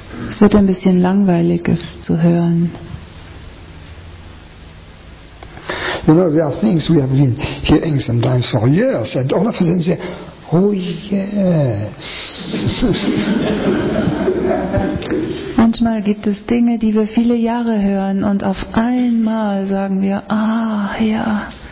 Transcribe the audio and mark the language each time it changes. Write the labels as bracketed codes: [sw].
[de] Es wird ein bisschen langweilig, es zu hören. [en] You know, there are things we have been hearing sometimes for years, and all of a sudden say, oh yes. [de] Manchmal gibt es Dinge, die wir viele Jahre hören, und auf einmal sagen wir, ah, ja.